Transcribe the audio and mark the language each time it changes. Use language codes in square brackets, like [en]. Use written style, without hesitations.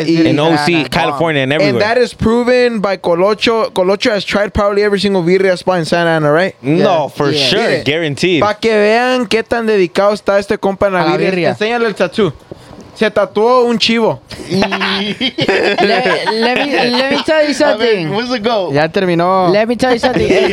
[en] In OC, California, and everywhere. And that is proven by Colocho. Colocho has tried probably every single Birria spot in Santa Ana, right? No, yeah. for sure. Yeah. Guaranteed. [es] Pa' que vean qué tan dedicado está este compa en la Birria. Enséñale el tattoo. Se tatuó un chivo. [en] let me tell you something. Where's the go? [es] Ya terminó. [en] Let me tell you something.